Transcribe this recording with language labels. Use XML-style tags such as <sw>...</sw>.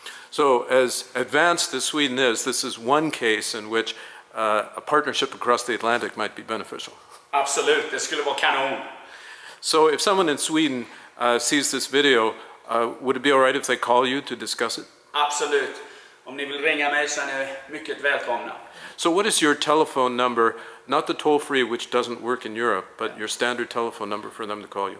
<en>So as advanced as Sweden is, this is one case in which a partnership across the Atlantic might be beneficial.</en> <sv>Absolut, det skulle vara kanon.</sv> <en>So if someone in Sweden sees this video, would it be all right if they call you to discuss it?</en> <sv>Absolut. Om ni vill ringa mig så är ni mycket välkomna.</sv> <en>So what is your telephone number, not the toll-free which doesn't work in Europe, but your standard telephone number for them to call you?</en>